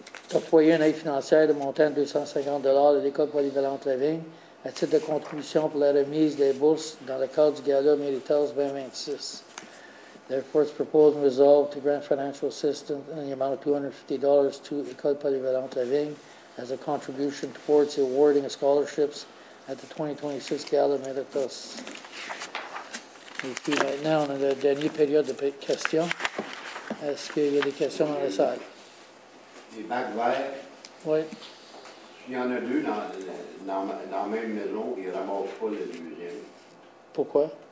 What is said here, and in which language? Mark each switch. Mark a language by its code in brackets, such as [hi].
[fr] d'octroyer une aide financière de montant de $250 de l'École polyvalente Lavigne à titre de contribution pour la remise des bourses dans le cadre du Gala Méritos 2026. [en] Therefore, it's proposed and resolved to grant financial assistance in the amount of $250 to École polyvalente Lavigne as a contribution towards the awarding of scholarships at the 2026 Gala Méritos. [fr] Et puis maintenant, on a la dernière période de questions. Est-ce qu'il y a des questions dans la salle? Des bacs verts? Oui. S'il y en a deux dans la même maison, ils ne ramassent pas le deuxième. Pourquoi?